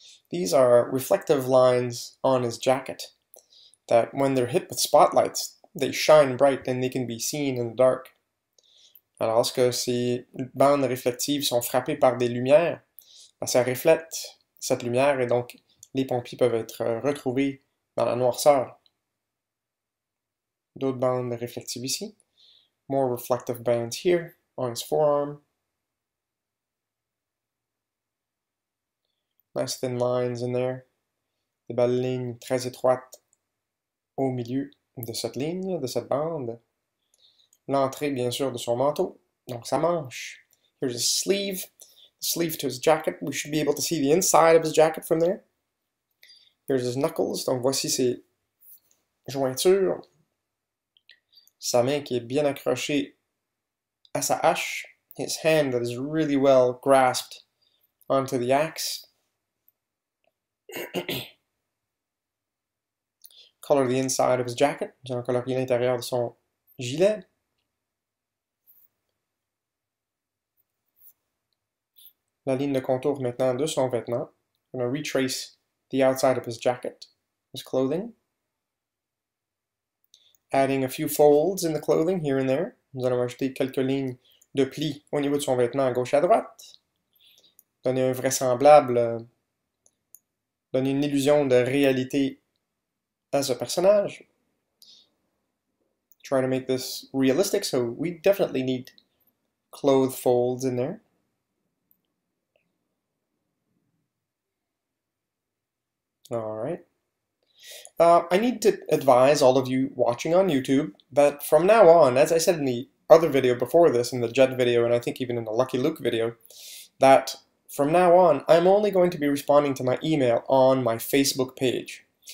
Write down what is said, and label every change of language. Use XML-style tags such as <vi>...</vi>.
<en>These are reflective lines on his jacket that when they're hit with spotlights, they shine bright and they can be seen in the dark.</en> <fr>Alors, lorsque ces bandes réflectives sont frappées par des lumières, ben, ça reflète cette lumière et donc les pompiers peuvent être retrouvés dans la noirceur. D'autres bandes réflectives ici.</fr> <en>More reflective bands here on his forearm. Nice thin lines in there.</en> <fr>Des belles lignes très étroites au milieu de cette ligne, de cette bande. L'entrée, bien sûr, de son manteau. Donc, sa manche.</fr> <en>Here's his sleeve. Sleeve to his jacket. We should be able to see the inside of his jacket from there. Here's his knuckles.</en> <fr>Donc, voici ses jointures. Sa main qui est bien accrochée à sa hache.</fr> <en>His hand that is really well grasped onto the axe. Color the inside of his jacket.</en> <fr>Nous allons colorier l'intérieur de son gilet. La ligne de contour maintenant de son vêtement. On va retracer</fr> <en>the outside of his jacket, his clothing. Adding a few folds in the clothing here and there.</en> <fr>Nous allons ajouter quelques lignes de plis au niveau de son vêtement à gauche et à droite. Donner un vraisemblable, donner une illusion de réalité à ce personnage.</fr> <en>Try to make this realistic, so we definitely need clothes folds in there. All right. I need to advise all of you watching on YouTube that from now on, as I said in the other video before this, in the Jet video, and I think even in the Lucky Luke video, that from now on, I'm only going to be responding to my email on my Facebook page.</en>